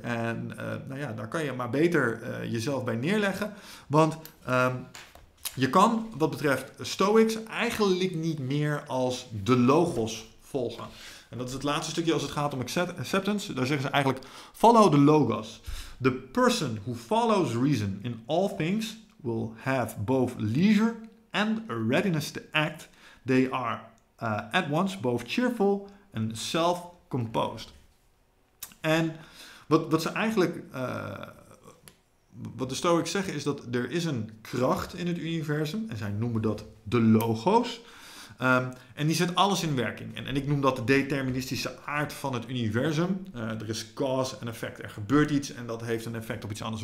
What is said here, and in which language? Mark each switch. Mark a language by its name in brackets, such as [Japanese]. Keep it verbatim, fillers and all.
[Dutch] En uh, nou ja, daar kan je maar beter uh, jezelf bij neerleggen. Want um, je kan wat betreft Stoics eigenlijk niet meer als de logos volgen. En dat is het laatste stukje als het gaat om acceptance. Daar zeggen ze eigenlijk, [English] follow the logos. The person who follows reason in all things will have both leisure and a readiness to act. They are uh, at once both cheerful and self-composed. [Dutch] En wat, wat ze eigenlijk... Uh, wat de Stoics zeggen is dat er is een kracht in het universum. En zij noemen dat de logos. Um, en die zet alles in werking. En, en ik noem dat de deterministische aard van het universum. Uh, er is cause en effect. Er gebeurt iets en dat heeft een effect op iets anders.